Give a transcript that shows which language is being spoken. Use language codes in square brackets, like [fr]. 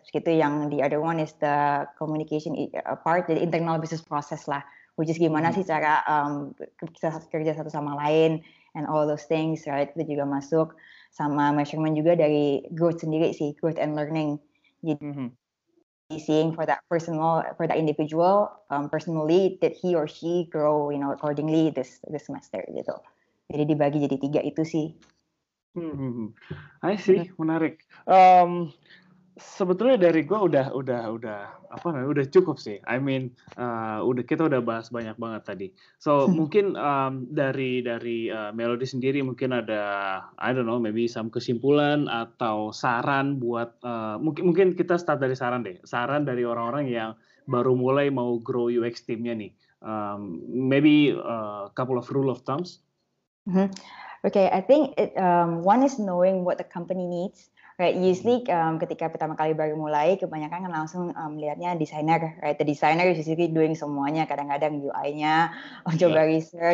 [en] Gitu, yang the other one is the communication part, the internal business process lah, which is [id] gimana sih cara kita kerja satu sama lain, [en] and all those things, right? [id] Itu juga masuk, sama measurement juga dari growth sendiri sih, [en] growth and learning. Jadi, seeing for that personal, for that individual, personally, did he or she grow, you know, accordingly this semester, gitu. [id] Jadi dibagi jadi tiga itu sih. [en] I see, menarik. [id] Sebetulnya dari gue udah apa namanya udah cukup sih. [en] I mean, [id] udah kita udah bahas banyak banget tadi. So mungkin dari Melody sendiri mungkin ada [en] I don't know, maybe some [id] kesimpulan atau saran buat mungkin kita start dari saran deh. Saran dari orang-orang yang baru mulai mau grow UX team-nya nih. [en] Maybe couple of rule of thumbs. Okay, I think it, one is knowing what the company needs. [id] Right, usually ketika pertama kali baru mulai, kebanyakan kan langsung melihatnya designer, right? [en] The designer is usually doing [id] semuanya, kadang-kadang UI-nya, coba [en] research,